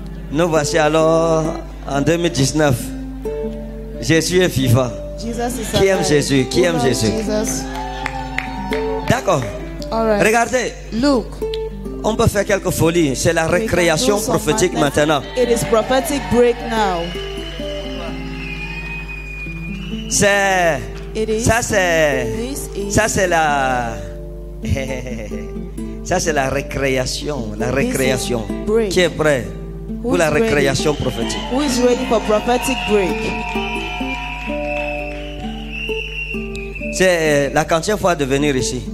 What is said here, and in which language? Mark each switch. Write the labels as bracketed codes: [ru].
[fr] Nous voici alors en 2019. Jésus est vivant. Qui aime Jésus? Qui aime Jésus? D'accord. Regardez. [en] Look. [fr] On peut faire quelques folies. C'est la récréation prophétique maintenant. [en] It is prophetic break now. [fr] C'est la récréation. Qui est prêt pour la récréation prophétique? [en] Who is ready for prophetic break? [fr] C'est la quantième fois de venir ici.